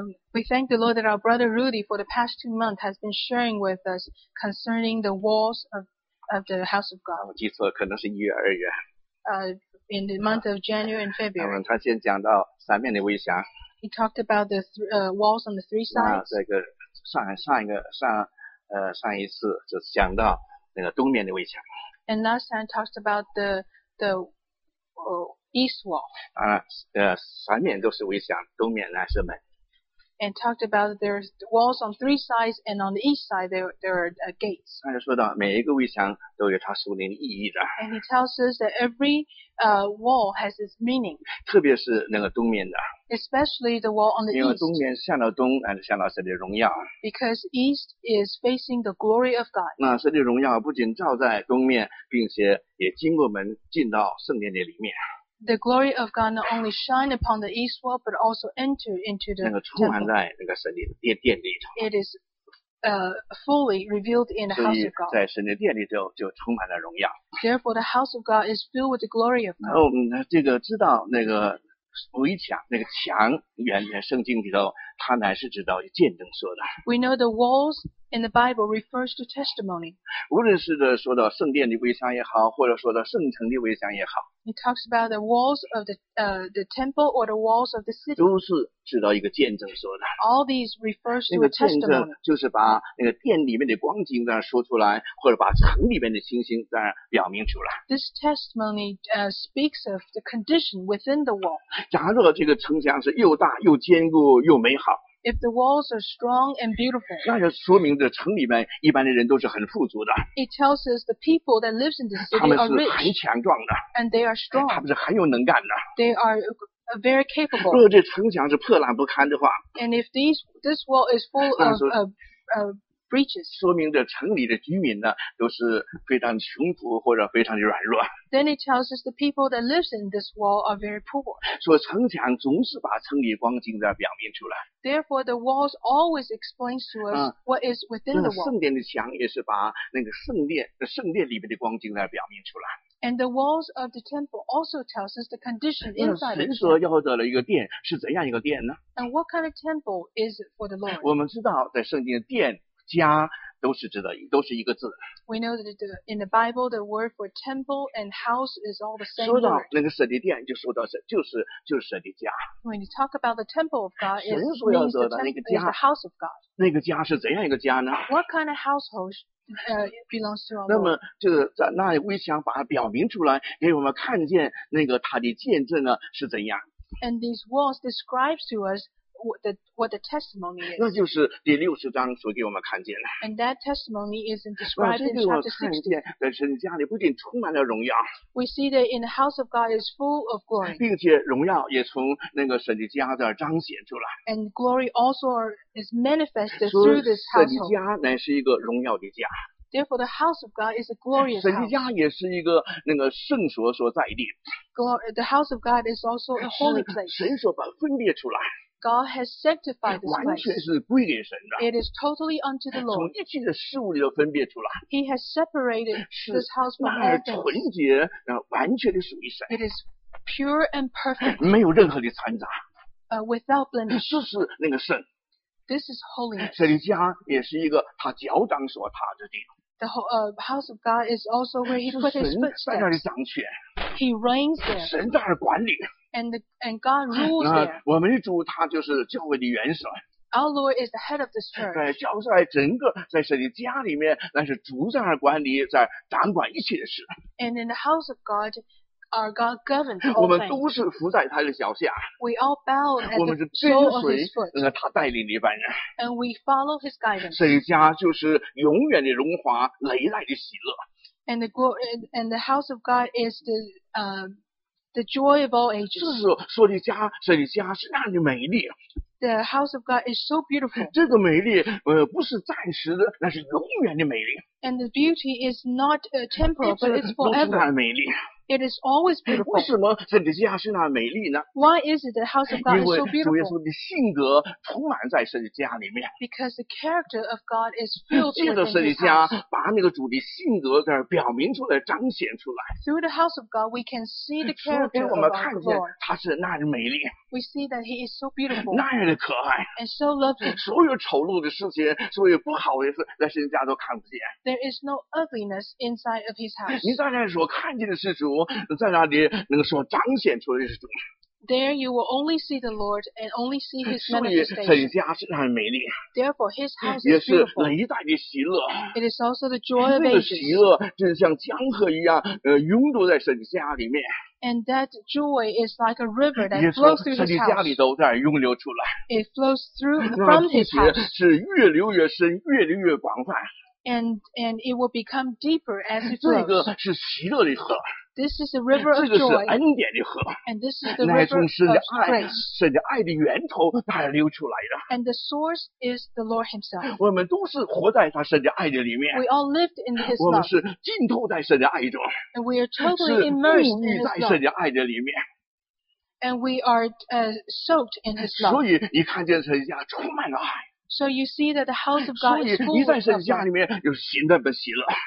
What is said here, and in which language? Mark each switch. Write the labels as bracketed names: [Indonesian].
[English] We thank the Lord that our brother Rudy for the past two months has been sharing with us concerning the walls of the house of God. [Chinese] 我记错，可能是一月二月。 [English] In the month of January and February. [Chinese] 他先讲到三面的围墙。 [English] He talked about the walls on the three sides. [Chinese] 那这个上一次就讲到那个东面的围墙。 [English] And last time talked about the east wall. [Chinese] 当然，三面都是围墙，东面呢是门。 [English] And talked about there's walls on three sides, and on the east side there are gates. [Chinese] 他就说到每一个围墙都有它属灵意义的。 [English] And he tells us that every wall has its meaning. [Chinese] 特别是那个东面的。 [English] Especially the wall on the east. [Chinese] 因为东面向着东，还是向着神的荣耀。 [English] Because east is facing the glory of God. [Chinese] 那神的荣耀不仅照在东面，并且也经过门进到圣殿的里面。 [English] The glory of God not only shine upon the east wall, but also enter into the temple. [Chinese] 那个充满在那个神的殿里头。 [English] It is fully revealed in the house of God. [Chinese] 所以在神的殿里头就充满了荣耀。 [English] Therefore, the house of God is filled with the glory of God. [Chinese] 这个知道那个围墙，那个墙，原圣经里头，它乃是知道见证说的。 [English] We know the walls in the Bible refers to testimony. [Chinese] 无论是的说到圣殿的围墙也好，或者说到圣城的围墙也好。 [English] It talks about the walls of the temple or the walls of the city. [Chinese] 都是指到一个见证说的。 [English] All these refers to a testimony. [Chinese] 那个见证就是把那个殿里面的光景在说出来，或者把城里面的情形在表明出来。 [English] This testimony speaks of the condition within the wall. [Chinese] 假如这个城墙是又大又坚固又美好。 [English] If the walls are strong and beautiful, [Chinese] 那就说明这城里面一般的人都是很富足的。 [English] It tells us the people that lives in the city are rich. [Chinese] 他们是很强壮的。 [English] And they are strong. [Chinese] 他们是很有能干的。 [English] They are very capable. [Chinese] 如果这城墙是破烂不堪的话， [English] And if this wall is full of breaches, [Chinese] 说明这城里的居民呢都是非常穷苦或者非常的软弱。 [English] Then it tells us the people that lives in this wall are very poor. [Chinese] 说城墙总是把城里光景在表明出来。 [English] Therefore, the walls always explain to us what is within the wall. [Chinese] 圣殿的墙也是把那个圣殿里面的光景在表明出来。 [English] And the walls of the temple also tells us the condition inside. [Chinese] 神所要的一个殿是怎样一个殿呢？ [English] And what kind of temple is for the Lord? [Chinese] 我们知道在圣殿殿家都是一个字。 [English] We know that in the Bible, the word for temple and house is all the same. [Chinese] 说到那个神的殿，就说到就是神的家。 [English] When you talk about the temple of God, it means the house of God. [Chinese] 那个家是怎样一个家呢？ [English] What kind of household belongs to our Lord? [Chinese] 那么就在那微想把它表明出来，给我们看见那个他的见证呢是怎样。 [English] And these walls describe to us. What the testimony is. [Chinese] 那就是第六十章所给我们看见的。 [English] And that testimony is described in chapter 16. [Chinese] 这给我们看见，在神家里不仅充满了荣耀。 [English] We see that in the house of God is full of glory. [Chinese] 并且荣耀也从那个神的家这儿彰显出来。 [English] And glory also is manifested through this household. [Chinese] 神的家乃是一个荣耀的家。 [English] Therefore, the house of God is a glorious house. [Chinese] 神的家也是一个那个圣所所在地。 [English] The house of God is also a holy place. [Chinese] 神所把分别出来。 [English] God has sanctified this place. [Chinese] 完全是归给神的。 [English] It is totally unto the Lord. [Chinese] 从一切的事物里都分别出来。 [English] He has separated this house from all things. [Chinese] 纯洁，然后完全的属于神。 [English] It is pure and perfect. [Chinese] 没有任何的掺杂。 [English] Without blemish. [Chinese] 这是那个圣。 [English] This is holiness. [Chinese] 这里家也是一个他脚掌所踏的地。 [English] The house of God is also where He put His footsteps. [Chinese] 神在那里掌权。 [English] He reigns there. [Chinese] 神在那里管理。 [English] And God rules there. [Chinese] 我们的主他就是教会的元帅。 [English] Our Lord is the head of this church. [Chinese] 在教会整个在神的家里面，那是主在那管理，在掌管一切的事。 [English] And in the house of God, our God governs all things. [Chinese] 我们都是伏在他的脚下。 [English] We all bow at the sole of His foot. [Chinese] 我们是跟随他带领的一般人。 [English] And we follow His guidance. [Chinese] 神的家就是永远的荣华，累累的喜乐。 [English] And the house of God is the joy of all ages. [Chinese] 这是说的家，神的家是那样的美丽。 [English] The house of God is so beautiful. [Chinese] 这个美丽，不是暂时的，那是永远的美丽。 [English] And the beauty is not temporal, but it's forever. [Chinese] 都是那美丽。 [English] It is always beautiful. [Chinese] 为什么神的家是那美丽呢？ [English] Why is it the house of God is so beautiful? [Chinese] 因为主耶稣的性格充满在神的家里面。 [English] Because the character of God is filled within His house. [Chinese] 借着神的家，把那个主的性格在表明出来，彰显出来。 [English] Through the house of God, we can see the character of God. [Chinese] 我们看见他是那样美丽。 [English] We see that He is so beautiful. [Chinese] 那样的可爱。 [English] And so lovely. [Chinese] 所有丑陋的事情，所有不好的事，在神的家都看不见。 [English] There is no ugliness inside of His house. [Chinese] 你在那所看见的是主。在那里能说彰显出来是主。 [English] There you will only see the Lord and only see His manifestation. [Chinese] 所以神家是很美丽。 [English] Therefore, His house is beautiful. [Chinese] 也是累代的喜乐。 [English] It is also the joy of ages. [Chinese] 那个喜乐就像江河一样，涌动在神家里面。 [English] And that joy is like a river that flows through His house. [Chinese] 神家里都在涌流出来。 [English] It flows through from His house. [Chinese] 是越流越深，越流越广泛。 [English] And it will become deeper as it flows. [Chinese] 这个是喜乐的河。 [English] This is the river of joy. [Chinese] 这个是恩典的河。 [English] And this is the river of grace. [Chinese] 神的爱的源头它流出来的。 [English] And the source is the Lord Himself. [Chinese] 我们都是活在他神的爱的里面。 [English] We all lived in His love. [Chinese] 我们是浸透在神的爱中。 [English] And we are totally immersed in His love. [Chinese] 是沐浴在神的爱的里面。 [English] And we are soaked in His love. [Chinese] 所以你看见神家充满了爱。 [English] So you see that the house of God is full of love. [Chinese] 所以你在神家里面有新的喜乐。